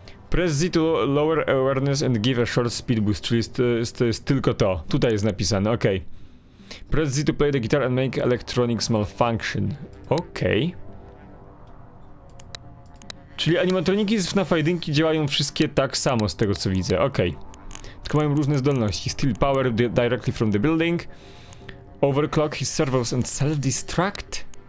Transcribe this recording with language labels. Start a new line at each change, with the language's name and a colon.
English: Press Z to lower awareness and give a short speed boost,
Polish: czyli jest tylko to. Tutaj jest napisane, okej. Okay.
English: Press Z to play the guitar and make electronics malfunction. Okej. Okay.
Polish: Czyli animatroniki z FNAF-a jedynki działają wszystkie tak samo z tego co widzę, okej. Okay. Tylko mają różne zdolności.
English: Steal power directly from the building. Overclock his servos and self-destruct.